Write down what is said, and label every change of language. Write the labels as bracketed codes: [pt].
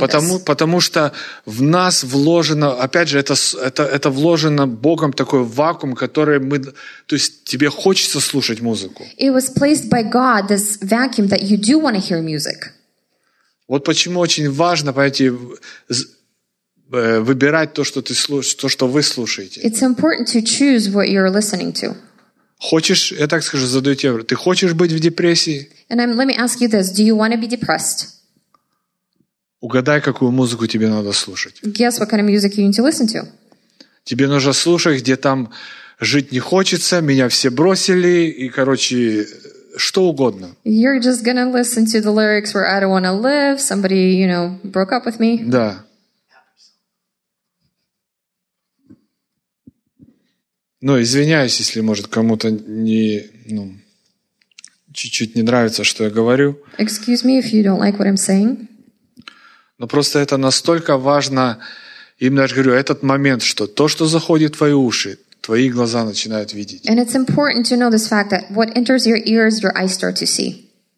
[en] this. [ru] Потому что в нас вложено, опять же, это вложено Богом такой вакуум, который мы, то есть тебе хочется слушать музыку. [en] It was placed by God, this vacuum that you do want to hear music. [ru] Вот почему очень важно, понимаете, выбирать то, что ты слушаешь, то, что вы слушаете. [en] It's important to choose what you're listening to. [ru] Хочешь, я так скажу, задаю тебе, ты хочешь быть в депрессии? [en] And let me ask you this, do you want to be depressed? [ru] Угадай, какую музыку тебе надо слушать. [en] Guess what kind of music you need to listen to. [ru] Тебе нужно слушать, где там жить не хочется, меня все бросили, и, короче, что угодно. [en] You're just gonna listen to the lyrics where I don't want to live, somebody, you know, broke up with me. [ru] Да. Ну, извиняюсь, если, может, кому-то не, ну, чуть-чуть не нравится, что я говорю. [en] Excuse me if you don't like what I'm saying. [ru] Но просто это настолько важно, именно я же говорю, этот момент, что то, что заходит в твои уши, твои глаза начинают видеть. [en] And it's important to know this fact that what enters your ears, your eyes start to see.